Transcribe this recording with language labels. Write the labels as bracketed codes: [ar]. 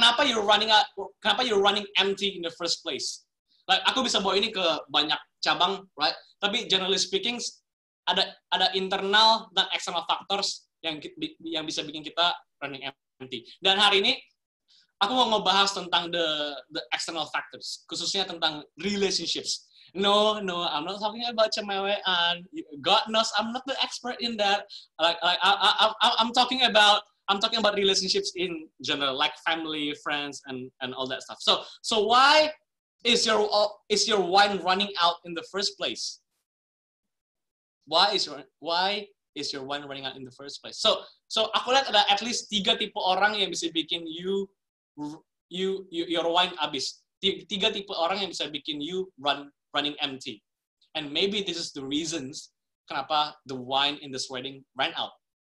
[id] Kenapa [en] you're running empty in the first place? Like [id] aku bisa bawa ini ke banyak cabang, [en] right? [id] Tapi [en] generally speaking [id] ada [en] internal [id] dan [en] external factors [id] yang bisa bikin kita [en] running empty. [id] Dan hari ini aku mau ngebahas tentang [en] the external factors, [id] khususnya tentang [en] relationships. No, I'm not talking about [id] cemewean. [en] God knows I'm not the expert in that. Like I'm talking about I'm talking about relationships in general, like family, friends, and all that stuff. So why is your wine running out in the first place? Why is your wine running out in the first place? So [id] aku lihat ada [en] at least [id] 3 tipe orang yang bisa bikin [en] your wine [id] habis. 3 tipe orang yang bisa bikin [en] you running empty. And maybe this is the reasons [id] kenapa [en] the wine in this wedding ran out.